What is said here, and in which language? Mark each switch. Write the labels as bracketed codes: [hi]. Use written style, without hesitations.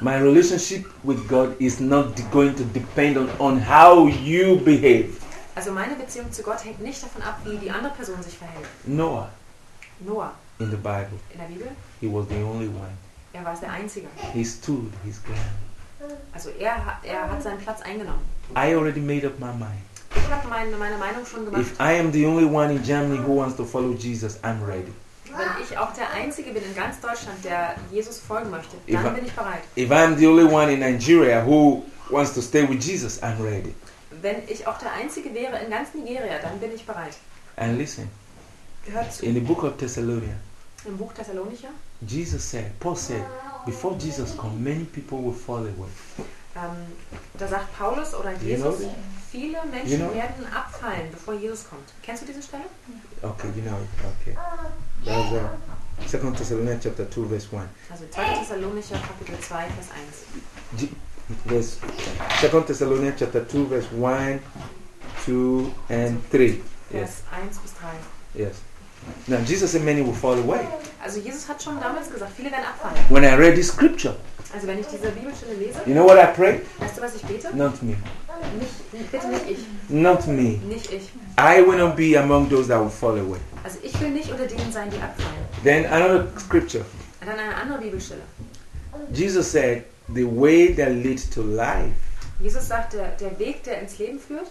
[en] My relationship with God is not going to depend on how you behave. [de] Also meine Beziehung zu Gott hängt nicht davon ab, wie die andere Person sich verhält. [en] Noah. In the Bible. [de] In der Bibel. [en] He was the only one. [de] Er war der Einzige. [en] He stood his ground. [de] Also er hat seinen Platz eingenommen. [en] I already made up my mind. [de] Ich habe meine Meinung schon gemacht. [en] If I am the only one in Germany who wants to follow Jesus, I'm ready. [de] Wenn ich auch der Einzige bin in ganz Deutschland, der Jesus folgen möchte, dann bin ich bereit. [en] If I'm the only one in Nigeria who wants to stay with Jesus, I'm ready. [de] Wenn ich auch der Einzige wäre in ganz Nigeria, dann bin ich bereit. [en] And listen. In the book of Thessalonians. [de] Im Buch Thessalonicher. [en] Jesus said, Paul said, before Jesus come, many people will fall away. [de] Da sagt Paulus oder Jesus, viele Menschen werden abfallen, bevor Jesus kommt. Kennst du diese Stelle? [en] Okay, you know. Okay. That was 2 Thessalonians chapter 2 verse 1. [de] Also 2 Thessalonicher Kapitel 2 Vers 1. [en] Yes. 2 Thessalonians chapter 2 verse 1, 2 and 3. Yes. [de] Vers 1 bis 3. [en] Yes. Now Jesus said many will fall away. [de] Also Jesus hat schon damals gesagt, viele werden abfallen. [en] When I read this scripture. [de] Also wenn ich diese Bibelstelle lese. [en] You know what I pray? [de] Weißt du, was ich bete? [en] Not me. [de] Bitte nicht ich. Nicht ich. [en] I will not be among those that will fall away. [de] Also ich will nicht unter denen sein, die abfallen. [en] Then another scripture. [de] Dann eine andere Bibelstelle. [en] Jesus said, the way that leads to life. [de] Jesus sagt, der Weg, der ins Leben führt,